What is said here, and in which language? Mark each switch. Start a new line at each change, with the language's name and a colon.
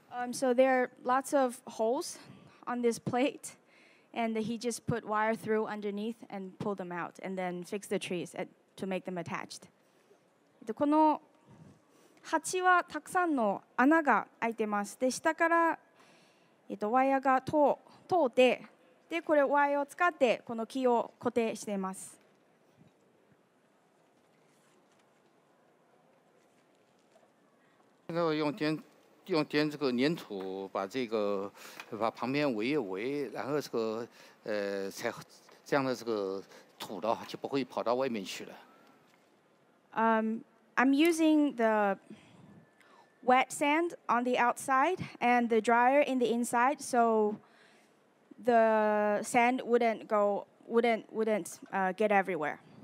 English: So there are lots of holes on this plate. And he just put wire through underneath and pulled them out and then fixed the trees to make them attached.
Japanese: この鉢はたくさんの穴が開いてます。で、下からワイヤが通って、で、これワイヤを使ってこの木を固定しています。
Chinese: 用点这个粘土把这个把旁边围一围，然后这个才这样的这个土的话就不会跑到外面去了。
English: I'm using the wet sand on the outside and the dryer in the inside, so the sand wouldn't get everywhere.